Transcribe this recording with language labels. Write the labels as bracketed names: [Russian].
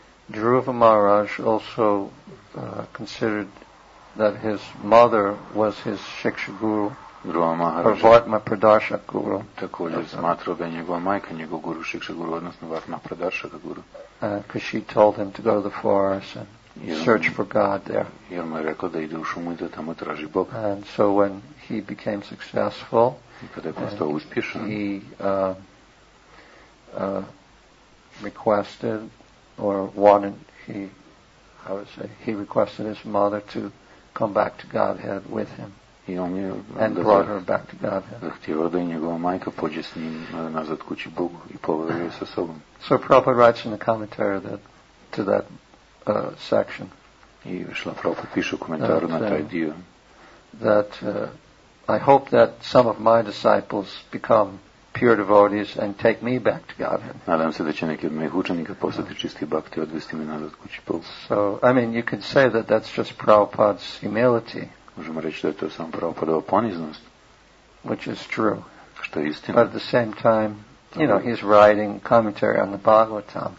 [English] Dhruva Maharaj also considered that his mother was his Shiksha guru. Dhruva Maharaj Vatma Pradarsha guru. [Croatian] Također smatrao da je njegova majka njegov guru, Shiksha guru, odnosno Vatma Pradarsha guru. [English] Because she told him to go to the forest and search for God there. [Croatian] Jer mu je rekao da ide u šumu i da tamo traži Boga. [English] And so when he became successful, [Croatian] kada je postao uspješan, [English] he requested or wanted he requested his mother to come back to Godhead with him. [Croatian] I on je [English] and brought her back to Godhead. [Croatian] Zahtijeva da je njegova majka pođe s njim nazad kući Bogu i povede je sa sobom. [English] So Prabhupada writes in the commentary to that section. [Croatian] I Šrila Prabhupada piše u komentaru na taj dio. [English] That I hope that some of my disciples become pure devotees and take me back to Godhead. [Croatian] Nadam se da će neki od mojih učenika postati čisti bhakti i odvesti me nazad kući Bogu. [English] So, I mean, you could say that that's just Prabhupada's humility. [Croatian] Možemo reći da je to samo Prabhupadova poniznost. [English] Which is true. [Croatian] Što je istina. [English] But at the same time, you know, he's writing commentary on the Bhagavatam.